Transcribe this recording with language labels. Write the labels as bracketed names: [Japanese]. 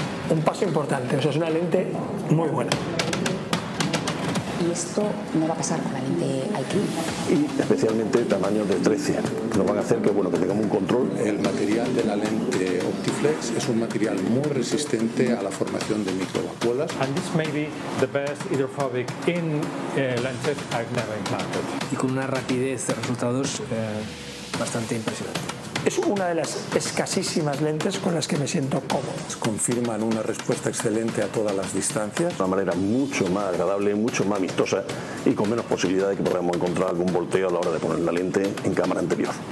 [Spanish] Un paso importante, eso es una lente muy buena. Y esto no va a pasar con la lente IQ. Y especialmente tamaño de 13. Nos van a hacer que, bueno, que tengamos un control. El material de la lente Optiflex es un material muy resistente a la formación de microvacuolas. [English] And this may be the best hydrophobic in lenses I've never implanted. [Spanish] Y con una rapidez de resultados bastante impresionante. Es una de las escasísimas lentes con las que me siento cómodo. Confirman una respuesta excelente a todas las distancias. De una manera mucho más agradable, mucho más amistosa y con menos posibilidad de que podamos encontrar algún volteo a la hora de poner la lente en cámara anterior.